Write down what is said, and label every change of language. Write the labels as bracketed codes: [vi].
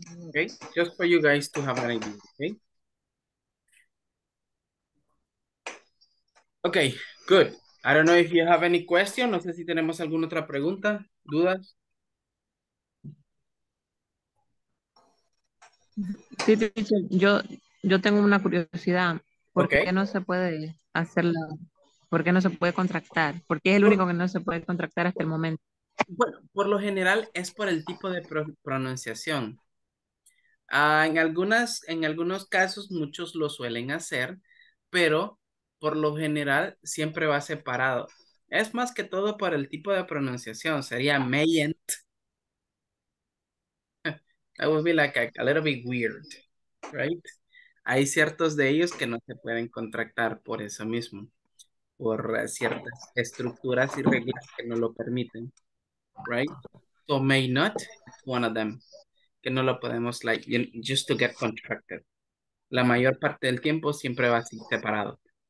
[en] Okay, just for you guys to have an idea, okay? Okay, good. I don't know if you have any question. [es] No sé si tenemos alguna otra pregunta, dudas. Sí, yo tengo una curiosidad. ¿Por [en] okay. [es] qué no se puede hacerla? ¿Por qué no se puede contractar? ¿Por qué es el único que no se puede contractar hasta el momento? Bueno, por lo general es por el tipo de pronunciación. En algunos casos muchos lo suelen hacer, pero por lo general siempre va separado. Es más que todo por el tipo de pronunciación. Sería mayent. [en] That would be like a little bit weird, right? [es] Hay ciertos de ellos que no se pueden contractar por eso mismo, por ciertas estructuras y reglas que no lo permiten, [en] right? So may not, one of them. [es] Que no lo podemos, [en] like, just to get contracted. [es] La mayor parte del tiempo siempre va así, separado.